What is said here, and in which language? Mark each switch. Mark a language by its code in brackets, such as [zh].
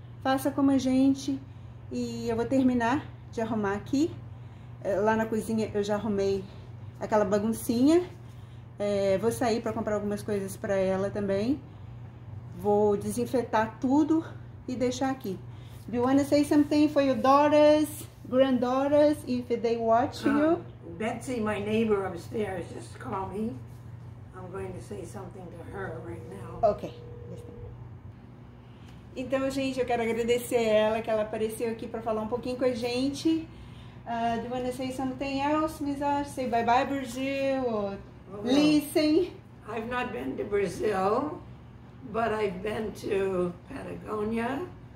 [pt] Faça como a gente, e eu vou terminar de arrumar aqui. Lá na cozinha eu já arrumei aquela baguncinha. É, vou sair para comprar algumas coisas para ela também. Vou desinfetar tudo e deixar aqui. [en] Do you want to say something for your daughters, granddaughters, if they watch you? Betsy, my neighbor upstairs, just called me. I'm going to say something to her right now. Ok. [pt] Então, gente, eu quero agradecer ela que ela apareceu aqui para falar um pouquinho com a gente. [en] Do you want to say something else, Miss Ash? Say bye-bye, Brazil. Well, Listen. I've not been to Brazil, but I've been to Patagonia.